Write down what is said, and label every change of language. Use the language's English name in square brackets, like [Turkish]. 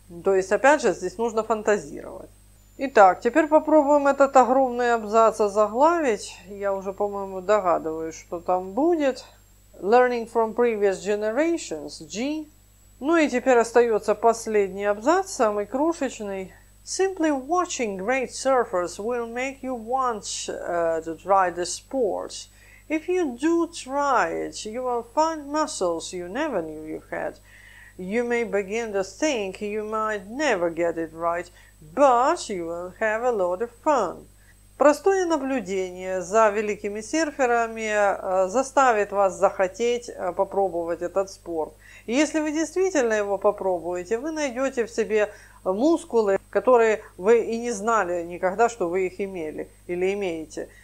[Russian] То есть опять же здесь нужно фантазировать. Итак, теперь попробуем этот огромный абзац озаглавить. Я уже, по-моему, догадываюсь, что там будет. [English] Learning from previous generations, G. [Russian] Ну и теперь остается последний абзац, самый крошечный. [English] Simply watching great surfers will make you want to try the sport. If you do try it, you will find muscles you never knew you had. You may begin to think you might never get it right, but you will have a lot of fun. [Russian] Простое наблюдение за великими серферами заставит вас захотеть попробовать этот спорт. И если вы действительно его попробуете, вы найдете в себе мускулы, которые вы и не знали никогда, что вы их имели или имеете.